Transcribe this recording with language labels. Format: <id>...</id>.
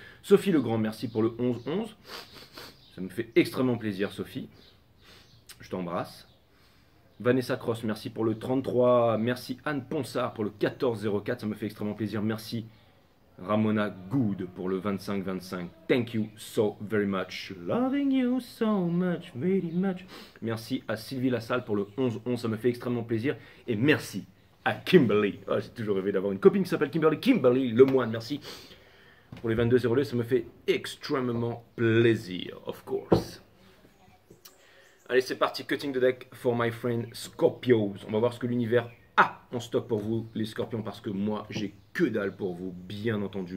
<fr>Sophie Legrand, merci pour le 11-11. Ça me fait extrêmement plaisir, Sophie. Je t'embrasse. Vanessa Cross, merci pour le 33. Merci Anne Ponsard pour le 14-04. Ça me fait extrêmement plaisir. Merci Ramona Good pour le 25-25.</fr> <en>Thank you so very much. Loving you so much, very much.</en> <fr>Merci à Sylvie Lassalle pour le 11-11. Ça me fait extrêmement plaisir. Et merci à Kimberly. Oh, j'ai toujours rêvé d'avoir une copine qui s'appelle Kimberly. Kimberly Lemoine, merci. Pour les 22-02, ça me fait extrêmement plaisir,</fr> <en>of course.</en> <fr>Allez, c'est parti,</fr> <en>cutting the deck for my friend Scorpios.</en> <fr>On va voir ce que l'univers a en stock pour vous, les Scorpions, parce que moi, j'ai que dalle pour vous, bien entendu.</fr>